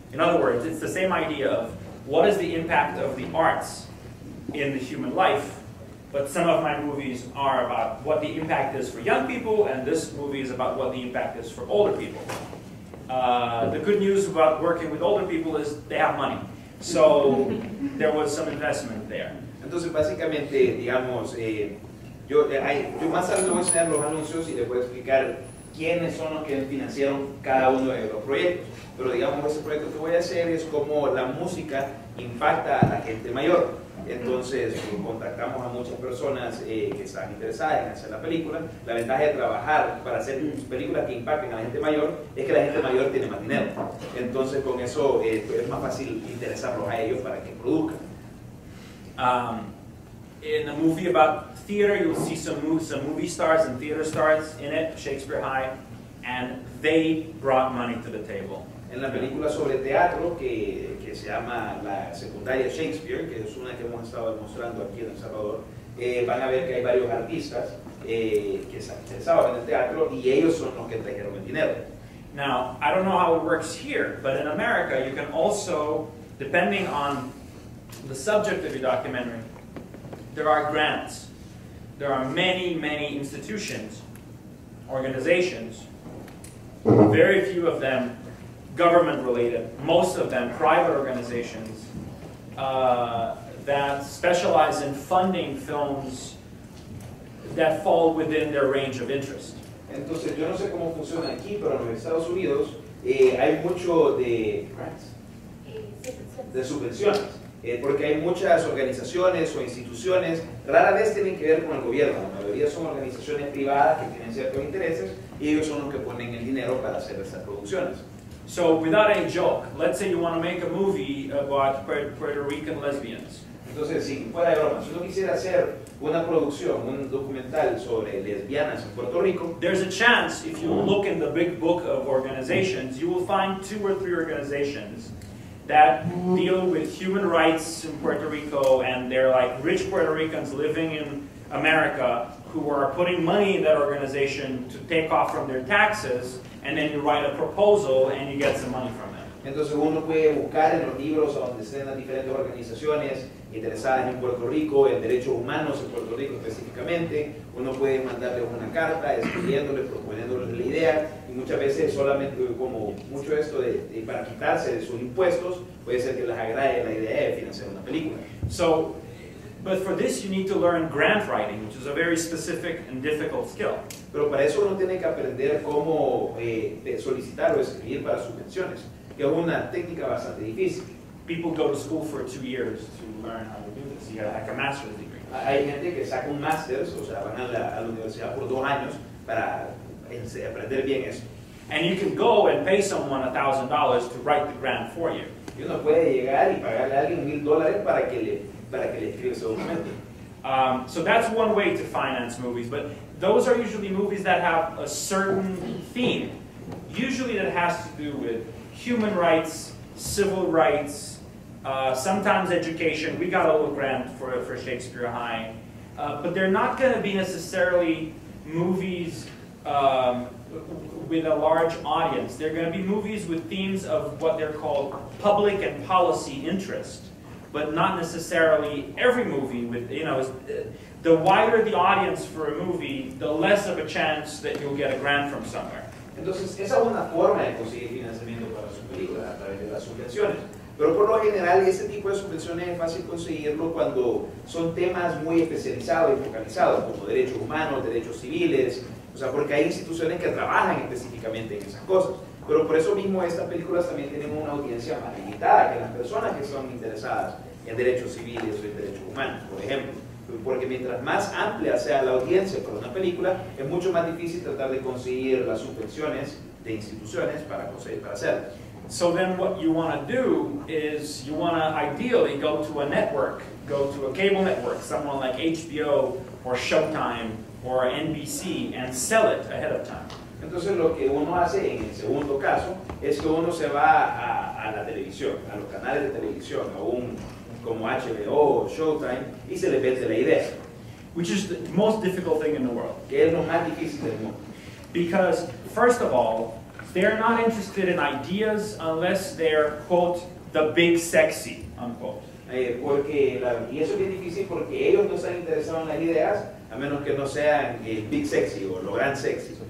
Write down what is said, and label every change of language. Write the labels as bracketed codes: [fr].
[en] In other words, it's the same idea of what is the impact of the arts in the human life, but some of my movies are about what the impact is for young people, and this movie is about what the impact is for older people. The good news about working with older people is they have money. So there was some investment there. [es] Entonces, básicamente, digamos, yo más tarde voy a enseñar los anuncios y les voy a explicar quiénes son los que financiaron cada uno de los proyectos. Pero digamos, ese proyecto que voy a hacer es cómo la música impacta a la gente mayor. Entonces, pues, contactamos a muchas personas que están interesadas en hacer la película. La ventaja de trabajar para hacer películas que impacten a la gente mayor es que la gente mayor tiene más dinero. Entonces, con eso pues, es más fácil interesarlos a ellos para que produzcan. [en] In a movie about theater, you'll see some movie stars and theater stars in it, Shakespeare High, and they brought money to the table. [es] En la película sobre teatro que se llama La Secundaria Shakespeare, que es una que hemos estado demostrando aquí en El Salvador, van a ver que hay varios artistas que están interesados en el teatro y ellos son los que trajeron el dinero. [en] Now, I don't know how it works here, but in America, you can also, depending on the subject of your documentary, there are grants. There are many, many institutions, organizations, very few of them government-related, most of them private organizations that specialize in funding films that fall within their range of interest. [es] Entonces, yo no sé cómo funciona aquí, pero en los Estados Unidos hay mucho de grants, de subvenciones, porque hay muchas organizaciones o instituciones, rara vez tienen que ver con el gobierno, la mayoría son organizaciones privadas que tienen ciertos intereses y ellos son los que ponen el dinero para hacer esas producciones. [en] So, without any joke, let's say you want to make a movie about Puerto Rican lesbians. [es] Entonces, sin fuera de broma, si uno quisiera hacer una producción, un documental sobre lesbianas en Puerto Rico, [en] there's a chance, if you look in the big book of organizations, you will find two or three organizations that deal with human rights in Puerto Rico, and they're like rich Puerto Ricans living in America who are putting money in that organization to take off from their taxes, and then you write a proposal and you get some money from them. [es] Entonces uno puede buscar en los libros a donde estén las diferentes organizaciones interesadas en Puerto Rico, en derechos humanos en Puerto Rico específicamente, uno puede mandarle una carta escribiéndole, proponiéndole la idea, y muchas veces solamente como mucho esto de para quitarse de sus impuestos, puede ser que les agrade la idea de financiar una película. [en] So, but for this you need to learn grant writing, which is a very specific and difficult skill. [es] Pero para eso uno tiene que aprender cómo solicitar o escribir para subvenciones, que es una técnica bastante difícil. [en] People go to school for 2 years to learn how to do this. You have like a master's degree. [es] Hay gente que saca un master's, o sea, van a la universidad por 2 años para aprender bien eso. [en] And you can go and pay someone $1,000 to write the grant for you. [es] Y uno puede llegar y pagarle a alguien $1,000 para que le escriba ese documento. [en] So that's one way to finance movies, but those are usually movies that have a certain theme. Usually that has to do with human rights, civil rights, sometimes education. We got a little grant for Shakespeare High. But they're not going to be necessarily movies with a large audience. They're going to be movies with themes of what they're called public and policy interest. But not necessarily every movie with, you know, the wider the audience for a movie, the less of a chance that you'll get a grant from somewhere. [es] Entonces, esa es una forma de conseguir financiamiento para su película, a través de las subvenciones. Pero por lo general, ese tipo de subvenciones es fácil conseguirlo cuando son temas muy especializados y focalizados, como derechos humanos, derechos civiles, o sea, porque hay instituciones que trabajan específicamente en esas cosas. Pero por eso mismo estas películas también tienen una audiencia más limitada que las personas que son interesadas en derechos civiles o en derechos humanos, por ejemplo. Porque mientras más amplia sea la audiencia para una película, es mucho más difícil tratar de conseguir las subvenciones de instituciones para hacerlo. [en] So then what you want to do is you want to ideally go to a network, go to a cable network, someone like HBO or Showtime or NBC, and sell it ahead of time. [es] Entonces lo que uno hace en el segundo caso es que uno se va a la televisión, a los canales de televisión, a un como HBO, Showtime, y se le vende la idea. [en] Which is the most difficult thing in the world. [es] Que es lo más difícil del mundo. [en] Because, first of all, they're not interested in ideas unless they're, quote, the big sexy, unquote. [es] Porque la, y eso es difícil porque ellos no están interesados en las ideas a menos que no sean el [en] big sexy [es] o lo gran sexy.